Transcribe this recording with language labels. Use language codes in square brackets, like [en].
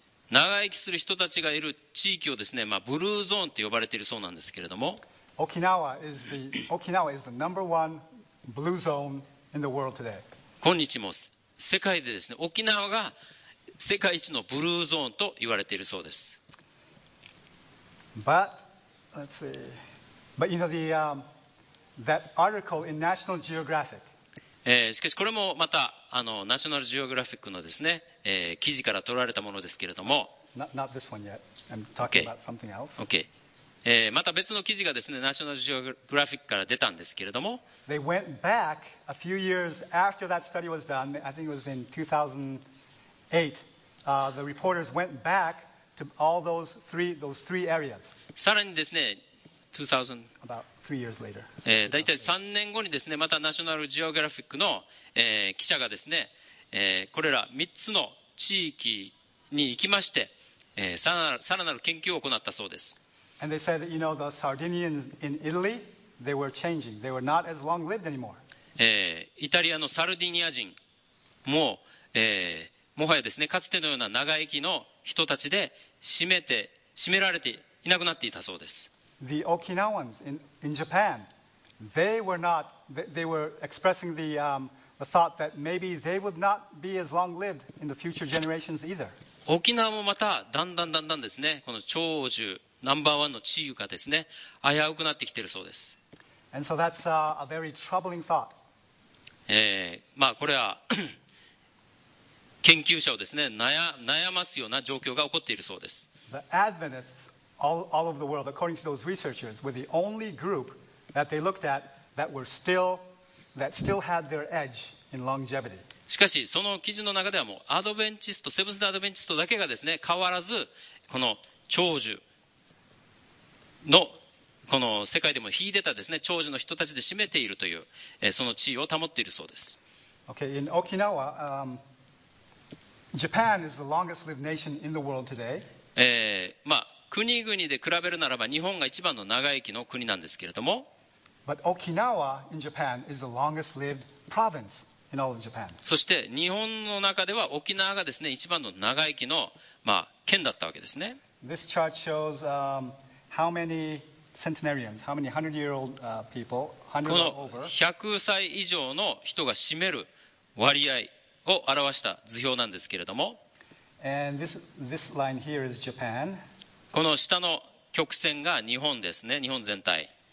[ja] 長生きする人たちがいる地域をですね、まあ、ブルーゾーンと呼ばれているそうなんですけれども、今日も世界でですね、沖縄が世界一のブルーゾーンと言われているそうです。 [en] But, let's see. But you know the, that article in National Geographic. [ja] しかしこれもまたあのナショナルジオグラフィックのですね、記事から取られたものですけれども。 [en] Not this one yet. I'm talking about something else. Okay. [ja] また別の記事がですね、ナショナルジオグラフィックから出たんですけれども。 [en] They went back a few years after that study was done. I think it was in 2008, the reporters went back to all those three areas. [ja] さらにですね、だいたい3年後にですね、またナショナルジオグラフィックの、記者がですね、これら3つの地域に行きまして、さらなる研究を行ったそうです。 [en] And they said that, you know, the Sardinians in Italy, they were changing. They were not as long-lived anymore. [ja] イタリアのサルディニア人も、もはやですね、かつてのような長生きの人たちで占められていなくなっていたそうです。 [en] The Okinawans in Japan, they were not, they were expressing the, the thought that maybe they would not be as long lived in the future generations either. [ja] 沖縄もまただんだんだんだんですね、この長寿ナンバーワンの地位がですね、危うくなってきているそうです。 [en] And so that's a very troubling thought. [ja] まあこれは。研究者をですね、悩ますような状況が起こっているそうです。 [en] The Adventists all over the world, according to those researchers, were the only group that they looked at that were still, that still had their edge in longevity. [ja] しかし、その記事の中ではもう、セブンスデーアドベンチストだけがですね、変わらず、この長寿の、この世界でも秀でたですね、長寿の人たちで占めているという、その地位を保っているそうです。 [en] Okay, in Okinawa, Japan is the longest lived nation in the world today. [ja] まあ、国々で比べるならば日本が一番の長生きの国なんですけれども。 [en] But Okinawa in Japan is the longest lived province in all of Japan. [ja] そして日本の中では沖縄がですね、一番の長生きの、まあ、県だったわけですね。 [en] This chart shows, how many centenarians, how many 100-year-old, people, 100 or over. [ja] この100歳以上の人が占める割合を表した図表なんですけれども、 [en] And this line here is Japan. [ja] この下の曲線が日本ですね、日本全体。